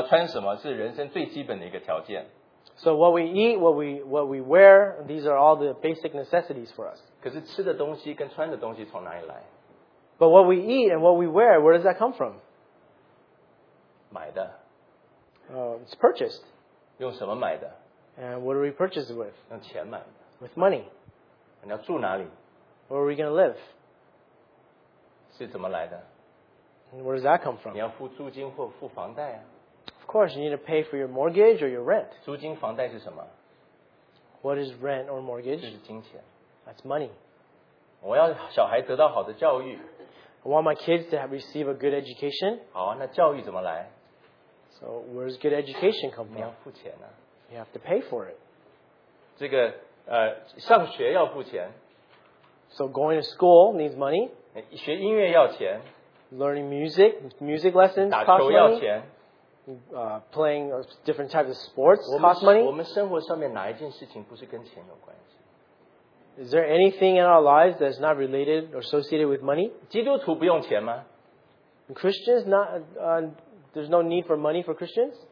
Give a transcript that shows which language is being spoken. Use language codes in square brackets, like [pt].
[zh] 我们说食衣住行是人生的这个基本条件。我们吃什么穿什么是人生最基本的一个条件。So [en] what we eat, what we wear, these are all the basic necessities for us. [zh] 可是吃的东西跟穿的东西从哪里来？ [en] But what we eat and what we wear, where does that come from? [zh] 买的。 [en] It's purchased. [zh] 用什么买的？ [en] And what are we purchased with? [zh] 用钱买的。 [en] With money. [zh] 你要住哪里？ [en] Where are we going to live? [zh] 是怎么来的？ [en] Where does that come from? [zh] 你要付租金或付房贷啊。 [en] Of course, you need to pay for your mortgage or your rent. [zh] 租金房贷是什么？ [en] What is rent or mortgage? [zh] 就是金钱。 [en] That's money. [zh] 我要小孩得到好的教育。 [en] I want my kids to have receive a good education. [zh] 好啊，那教育怎么来？ [en] So where does good education come from? [zh] 你要付钱啊。 [en] You have to pay for it. [zh] 这个 上学要付钱。 [en] So going to school needs money. [zh] 学音乐要钱。 [en] Learning music, music lessons cost money. [zh] 打球要钱。 [en] Playing different types of sports cost money. [zh] 我们生活上面哪一件事情不是跟钱有关系？ [en] Is there anything in our lives that's not related or associated with money? [zh] 基督徒不用钱吗？ [en] Christians not there's no need for money for Christians?